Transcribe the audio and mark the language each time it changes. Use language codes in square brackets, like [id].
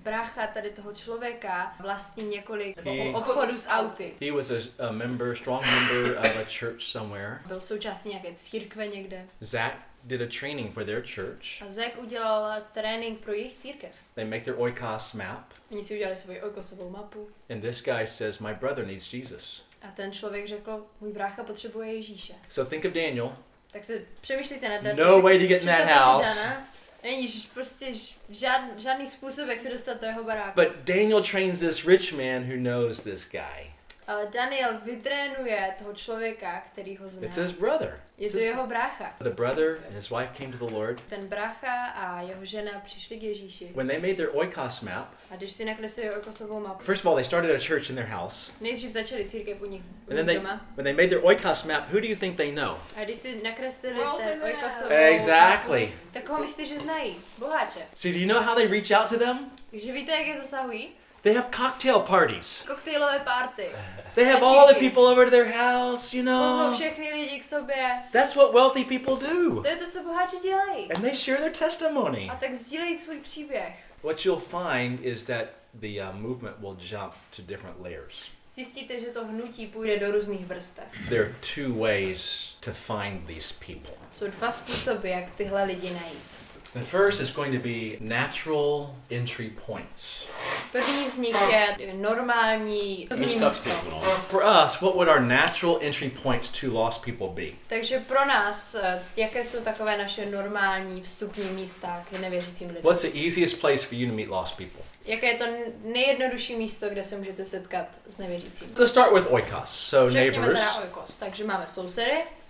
[cs] Brácha tady toho člověka vlastní několik obchodů s auty. [en] He was a member, strong member of a church somewhere. [cs] Byl součástí nějaké církve někde. [en] Zach did a training for their church. [cs] A Zach udělal trénink pro jejich církev. [en] They make their oikos map. [cs] Oni si udělali svoji oikosovou mapu. [en] And this guy says, my brother needs Jesus. [cs] A ten člověk řekl, můj brácha potřebuje Ježíše. [en] So think of Daniel. [cs] Tak se přemýšlíte nad tím. [en] No way to get in that house. [cs] Není prostě žádný způsob, jak se dostat do jeho baráku. [en] But Daniel trains this rich man who knows this guy. [cs] Ale Daniel vytrénuje toho člověka, který ho zná. [en] It's his brother. [cs] Je to jeho brácha. [en] The brother and his wife came to the Lord. [cs] Ten brácha a jeho žena přišli k Ježíši. [en] When they made their oikos map. [cs] A když si nakreslili oikosovou mapu. [en] First of all, they started a church in their house. [cs] Nejdřív začali církev u nich doma. [en] And then they, when they made their oikos map, who do you think they know? [cs] A když si nakreslili ten oikosovou mapu. [en] Exactly. [cs] Tak koho myslíte, že znají? Boháče. [en] So do you know how they reach out to them? [cs] Že víte, jak je zasahují? [en] They have cocktail parties. [cs] Koktejlové party. [en] They have all the people over to their house, you know. [cs] Pozvou všechny lidi k sobě. [en] That's what wealthy people do. [cs] To je to, co bohatí dělají. [en] And they share their testimony. [cs] A tak sdílejí svůj příběh. [en] What you'll find is that the movement will jump to different layers. [cs] Zjistíte, že to hnutí půjde do různých vrstev. [en] There are two ways to find these people. [cs] Jsou dva způsoby, jak tyhle lidi najít. [en] The first is going to be natural entry points. [cs] První z nich je normální místo. [en] For us, what would our natural entry points to lost people be? [cs] Takže pro nás, jaké jsou takové naše normální vstupní místa k nevěřícím lidem? [en] What's the easiest place for you to meet lost people? [cs] Jaké je to nejjednodušší místo, kde se můžete setkat s nevěřícími? [en] Let's start with oikos, so neighbors. [cs] Řekněme teda oikos, takže máme sousedy.